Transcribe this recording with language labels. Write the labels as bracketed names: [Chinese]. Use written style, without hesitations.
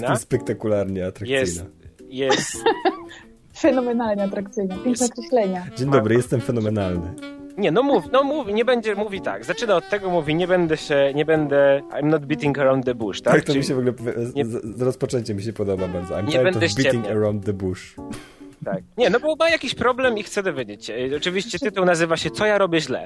[Polish] Jestem spektakularnie atrakcyjna. Jest fenomenalnie atrakcyjna, piękne określenia. Dzień dobry, jestem fenomenalny. Nie, mówi tak. Zaczyna od tego, mówi, nie będę, [English] I'm not beating around the bush, [Polish] tak? Tak, to czyli mi się w ogóle, rozpoczęcie mi się podoba bardzo. [English] I'm tired of beating around the bush. [Polish] Tak. Nie, no bo ma jakiś problem i chcę dowiedzieć się. Oczywiście tytuł nazywa się Co ja robię źle?